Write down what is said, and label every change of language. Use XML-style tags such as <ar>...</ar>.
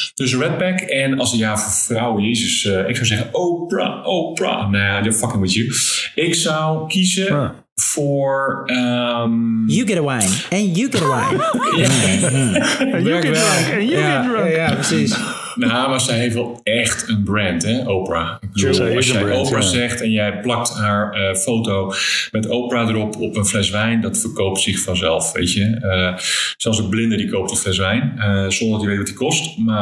<nl>Dus Redback en als het voor vrouwen, jezus, ik zou zeggen Oprah,</nl> <en>they're fucking with you.</en> <nl>Ik zou kiezen... Huh. Voor</nl> <en>you get a wine and you get a wine. You get drunk and you get drunk.</en> <nl>Ja, precies. Nou, maar zij heeft wel echt een brand, hè, Oprah. Zegt en jij plakt haar foto met Oprah erop op een fles wijn, dat verkoopt zich vanzelf, weet je. Zelfs een blinde die koopt een fles wijn, zonder dat hij weet wat die kost.</nl>